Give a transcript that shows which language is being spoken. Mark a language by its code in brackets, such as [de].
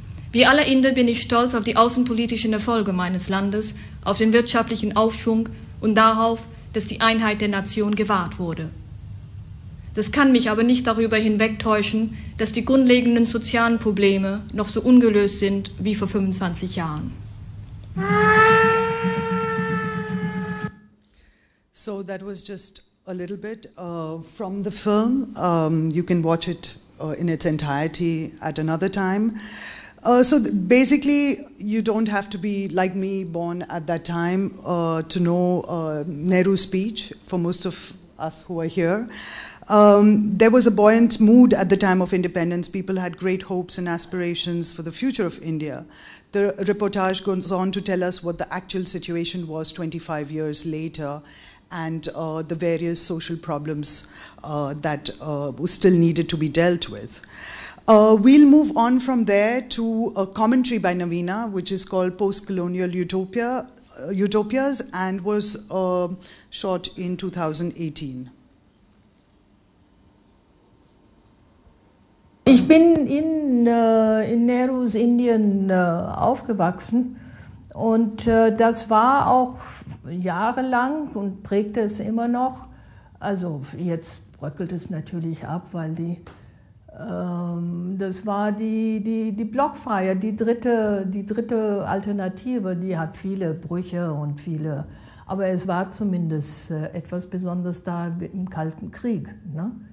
[de] Wie alle Inder bin ich stolz auf die außenpolitischen Erfolge meines Landes, auf den wirtschaftlichen Aufschwung und darauf, dass die Einheit der Nation gewahrt wurde. Das kann mich aber nicht darüber hinwegtäuschen, dass die grundlegenden sozialen Probleme noch so ungelöst sind wie vor 25 Jahren. [en] So that was just a little bit from the film. You can watch it in its entirety at another time. So basically, you don't have to be like me, born at that time, to know Nehru's speech, for most of us who are here. There was a buoyant mood at the time of independence. People had great hopes and aspirations for the future of India. The reportage goes on to tell us what the actual situation was 25 years later, and the various social problems that still needed to be dealt with. We'll move on from there to a commentary by Navina, which is called Postcolonial Utopias, and was shot in 2018. [de] Ich bin in Nehrus Indien aufgewachsen, und das war auch jahrelang und prägte es immer noch. Also jetzt bröckelt es natürlich ab, weil die das war die Blockfreie, die dritte Alternative, die hat viele Brüche und viele, aber es war zumindest etwas Besonderes da im Kalten Krieg, ne?